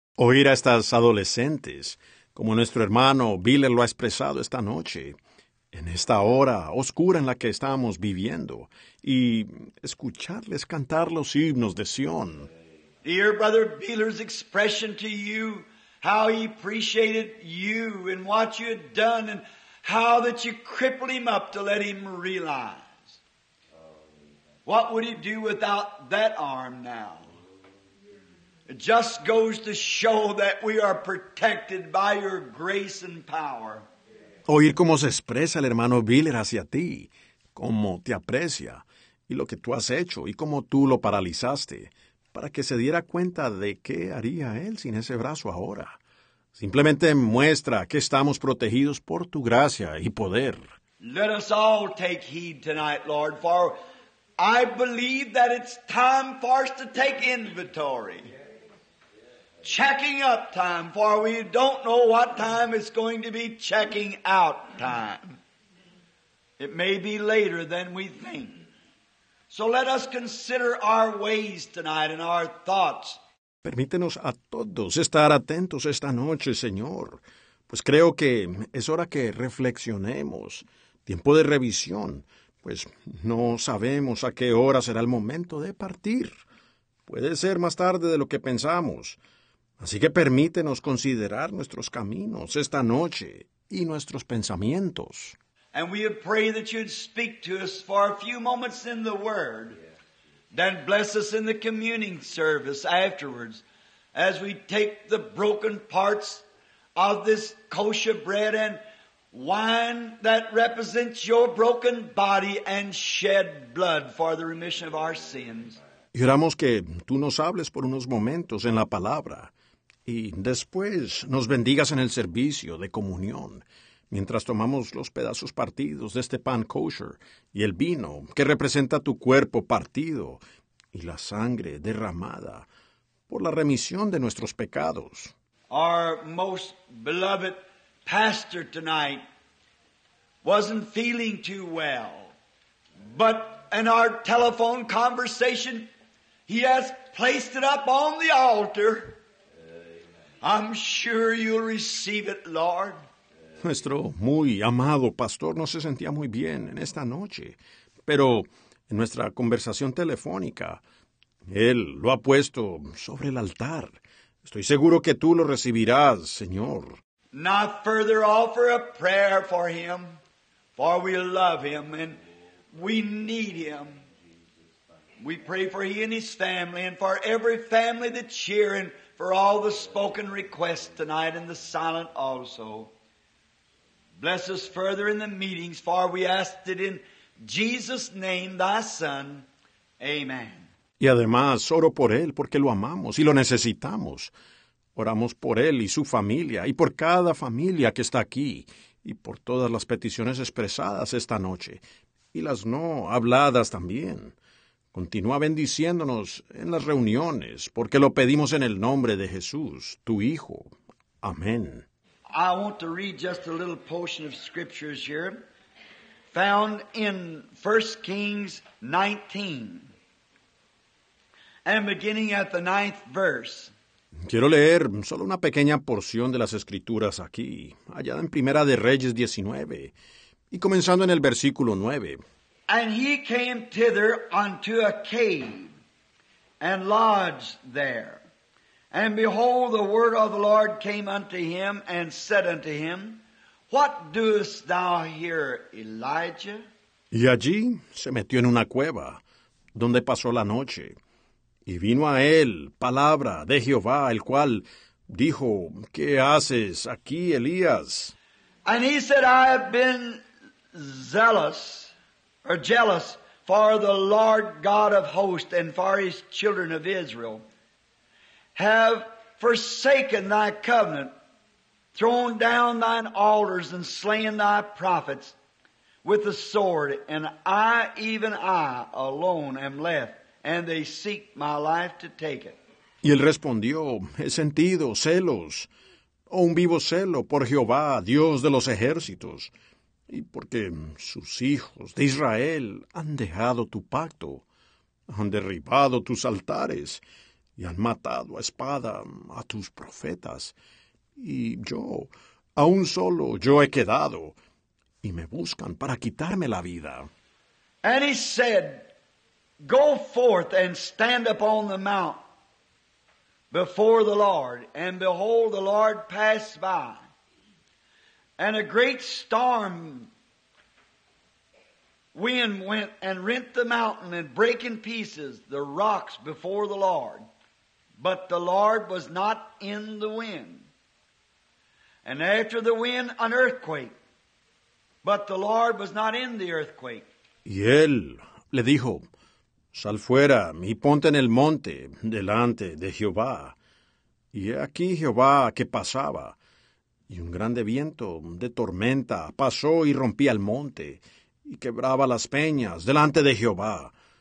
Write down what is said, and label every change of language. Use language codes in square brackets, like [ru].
[es] Oír a estas adolescentes, como nuestro hermano Biller lo ha expresado esta noche, en esta hora oscura en la que estamos viviendo, y escucharles cantar los himnos de Sion. [en] Dear Brother Biller's expression to you, how he appreciated you and what you had done, and how that you crippled him up to let him realize. What would he do without that arm now? It just goes to show that we are protected by your grace and power. [es] Oír cómo se expresa el hermano Biller hacia ti, cómo te aprecia, y lo que tú has hecho, y cómo tú lo paralizaste, para que se diera cuenta de qué haría él sin ese brazo ahora. Simplemente muestra que estamos protegidos por tu gracia y poder. [en] Let us all take heed tonight, Lord, for I believe that it's time for us to take inventory. checking up time, for we don't know what time it's going to be checking out time. It may be later than we think. So let us consider our ways tonight and our thoughts. [es] Permítenos a todos estar atentos esta noche, Señor, pues creo que es hora que reflexionemos. Tiempo de revisión, pues no sabemos a qué hora será el momento de partir. Puede ser más tarde de lo que pensamos. Así que permítenos considerar nuestros caminos esta noche y nuestros pensamientos. [en] And we pray that you'd speak to us for a few moments in the Word. Then bless us in the communing service afterwards as we take the broken parts of this kosher bread and wine that represents your broken body and shed blood for the remission of our sins. [es] Y oramos que tú nos hables por unos momentos en la palabra y después nos bendigas en el servicio de comunión mientras tomamos los pedazos partidos de este pan kosher y el vino que representa tu cuerpo partido y la sangre derramada por la remisión de nuestros pecados. [en] Our most beloved pastor tonight wasn't feeling too well, but in our telephone conversation, he has placed it up on the altar. I'm sure you'll receive it, Lord. [es] Nuestro muy amado pastor no se sentía muy bien en esta noche, pero en nuestra conversación telefónica, él lo ha puesto sobre el altar. Estoy seguro que tú lo recibirás, Señor. [en] Not further offer a prayer for him, for we love him and we need him. We pray for he and his family and for every family that's here and for all the spoken requests tonight and the silent also. Bless us further in the meetings, for we ask it in Jesus' name, thy Son. Amen. [es] Y además, oro por él porque lo amamos y lo necesitamos. Oramos por él y su familia, y por cada familia que está aquí, y por todas las peticiones expresadas esta noche, y las no habladas también. Continúa bendiciéndonos en las reuniones, porque lo pedimos en el nombre de Jesús, tu Hijo. Amén. [en] I want to read just a little portion of scriptures here, found in 1 Kings 19, and beginning at the 9th verse. [es] Quiero leer solo una pequeña porción de las Escrituras aquí, allá en Primera de Reyes 19, y comenzando en el versículo 9. [en] And he came thither unto a cave, and lodged there. And behold, the word of the Lord came unto him, and said unto him, What doest thou here, Elijah? [es] Y allí se metió en una cueva, donde pasó la noche. Y vino a él palabra de Jehová, el cual dijo, ¿Qué haces aquí, Elías? [en] And he said, I have been jealous for the Lord God of hosts and for his children of Israel, have forsaken thy covenant, thrown down thine altars, and slain thy prophets with the sword, and I alone am left. And they seek my life to take it. [es] Y él respondió, he sentido celos, o un vivo celo por Jehová, Dios de los ejércitos, y porque sus hijos de Israel han dejado tu pacto, han derribado tus altares, y han matado a espada a tus profetas, y yo, aún solo, yo he quedado, y me buscan para quitarme la vida. [en] And he said, Go forth and stand upon the mount before the Lord, and behold, the Lord passed by, and a great storm wind went and rent the mountain and brake in pieces the rocks before the Lord. But the Lord was not in the wind. And after the wind, an earthquake. But the Lord was not in the earthquake. [es] Y él le dijo, Sal fuera y ponte en el monte delante de Jehová. Y he aquí Jehová que pasaba. Y un grande viento de tormenta pasó y rompía el monte y quebraba las peñas delante de Jehová.